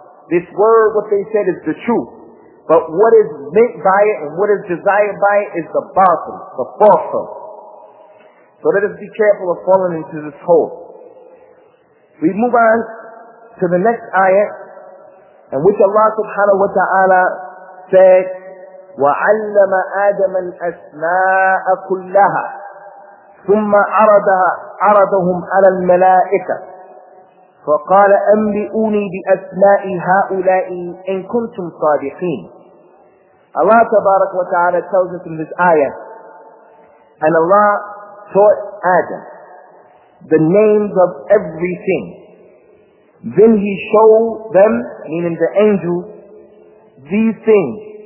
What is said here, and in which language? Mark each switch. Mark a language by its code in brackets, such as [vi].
[en] This word, what they said, is the truth. But what is meant by it and what is desired by it is the batil, the false. So let us be careful of falling into this hole. We move on to the next ayah, in which Allah subhanahu wa ta'ala said, [ar] وعلم آدم الأسماء كلها ثم عرضهم على الملائكة فقال أنبئوني بأسماء هؤلاء إن كنتم صادقين. [en] Allah تبارك وتعالى tells us in this ayah, and Allah taught Adam the names of everything. Then he showed them, meaning the angels, these things.